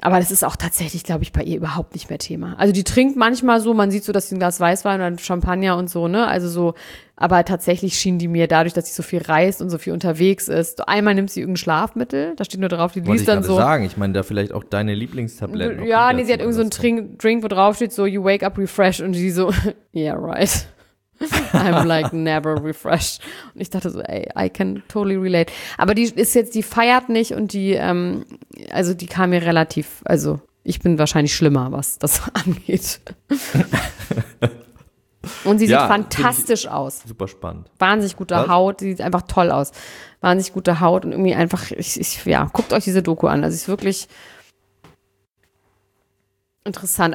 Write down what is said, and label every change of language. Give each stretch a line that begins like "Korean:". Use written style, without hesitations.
German: Aber das ist auch tatsächlich, glaube ich, bei ihr überhaupt nicht mehr Thema. Also die trinkt manchmal so, man sieht so, dass sie ein Glas Weißwein oder Champagner und so, ne? Also so, aber tatsächlich schien die mir dadurch, dass sie so viel reist und so viel unterwegs ist. Einmal nimmt sie irgendein Schlafmittel, da steht nur drauf, die liest dann so. Wollte ich sagen, ich meine da vielleicht auch deine Lieblingstabletten. Ja, nee, sie hat irgend so einen Drink, wo drauf steht so,
English: you wake up refreshed
German: und sie so,
English: yeah, right. I'm like never refreshed.
German: Und ich dachte so, ey,
English: I can totally relate.
German: Aber die ist jetzt, die feiert nicht und die, also die kam mir relativ, also ich bin wahrscheinlich schlimmer, was das angeht. Und sie sieht fantastisch aus. Super spannend. Wahnsinnig gute Haut, sie sieht einfach toll aus. Wahnsinnig gute Haut und irgendwie einfach, guckt euch diese Doku an. Also ist wirklich interessant.